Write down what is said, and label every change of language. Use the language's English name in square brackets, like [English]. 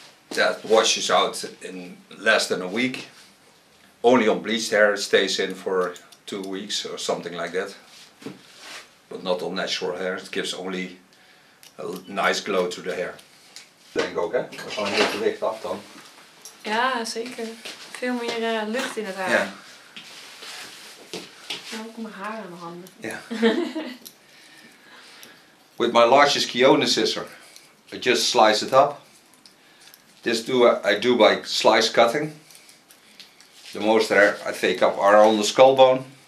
[English] That washes out in less than a week. Only on bleached hair it stays in for 2 weeks or something like that. But not on natural hair, it gives only a nice glow to the hair. There you go, okay? [Dutch] We gaan hier het licht af dan. Ja, zeker. Veel meer lucht in het haar. Ja. Nou, ook mijn haar aan mijn handen. Ja. [English] With my largest Kiona scissor, I just slice it up. This I do by slice cutting. The most hair I take up are on the skull bone.